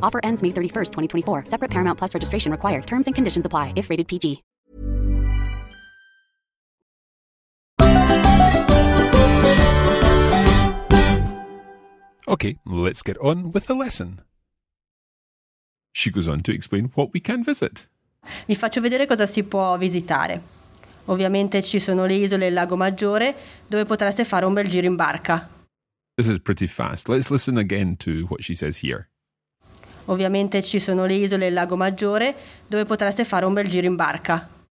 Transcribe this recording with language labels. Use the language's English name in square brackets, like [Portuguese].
[English] Offer ends May 31st, 2024. Separate Paramount Plus registration required. Terms and conditions apply if rated PG. Okay, let's get on with the lesson. She goes on to explain what we can visit. [Italian] Vi faccio vedere cosa si può visitare. Ovviamente ci sono le isole e il Lago Maggiore, dove potreste fare un bel giro in barca. [English] This is pretty fast. Let's listen again to what she says here. [Italian] Ovviamente ci sono le isole e il Lago Maggiore, dove potreste fare un bel giro in barca.